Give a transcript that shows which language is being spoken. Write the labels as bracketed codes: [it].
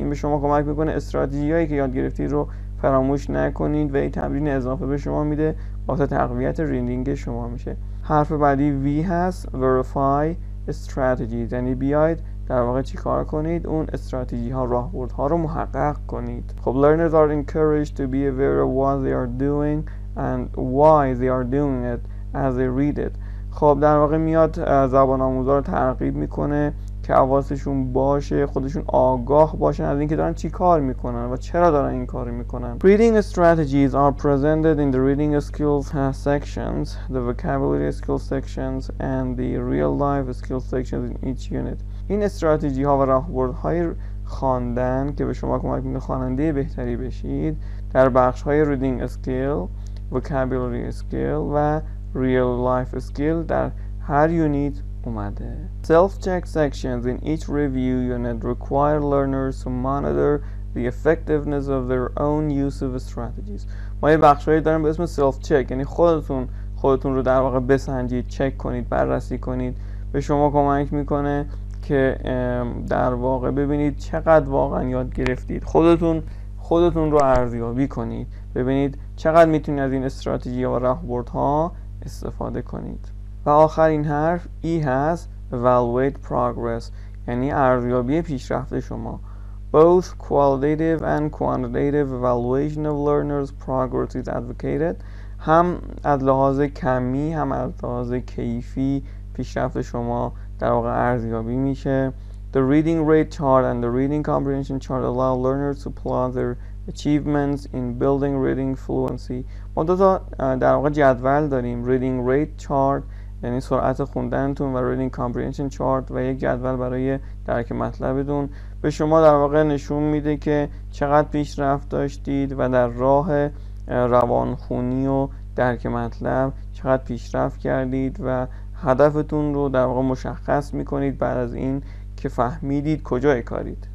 [fa] این به شما کمک میکنه استراتژی هایی که یاد گرفتید رو فراموش نکنید و این تمرین اضافه به شما میده واسه تقویت ریدینگ شما میشه. حرف بعدی V هست، verify strategies یعنی بیاید در واقع چی کار کنید، اون استراتژی ها راهبرد ها رو محقق کنید. [en] خب learners are encouraged to be aware of what they are doing and why they are doing it as they read it. [fa] خب در واقع میاد زبان آموزا رو ترغیب میکنه که حواسشون باشه، خودشون آگاه باشن از اینکه دارن چی کار میکنن و چرا دارن این کار میکنن. [en] Reading strategies are presented in the reading skills sections, the vocabulary skills sections and the real life skills sections in each unit. [fa] این استراتژی ها و راهبردهای خواندن که به شما کمک میکنه خواننده بهتری بشید در بخش های reading skill، vocabulary skill و real life skill در هر یونیت اومده. [en] Self-check sections in each review unit require learners to monitor the effectiveness of their own use of strategies. [fa] ما یه بخشایی داریم به اسم self-check یعنی خودتون رو در واقع بسنجید، چک کنید، بررسی کنید. به شما کمک میکنه که در واقع ببینید چقدر واقعا یاد گرفتید، خودتون رو ارزیابی کنید، ببینید چقدر میتونید از این استراتژی و راهبردها استفاده کنید. و آخرین حرف ای هست، evaluate progress یعنی ارزیابی پیشرفت شما. با [en] Both qualitative and quantitative evaluation of learners' progress is advocated. [fa] هم از لحاظ کمی هم از لحاظ کیفی پیشرفت شما در واقع ارزیابی میشه. [en] The reading rate chart and the reading comprehension chart allow learners to plot their achievements in building reading fluency. [fa] ما دو تا در واقع جدول داریم. Reading rate chart یعنی سرعت خوندنتون و reading comprehension chart و یک جدول برای درک مطلبتون به شما در واقع نشون میده که چقدر پیشرفت داشتید و در راه روان خونی و درک مطلب چقدر پیشرفت کردید و هدفتون رو در واقع مشخص میکنید بعد از این که فهمیدید کجای کارید.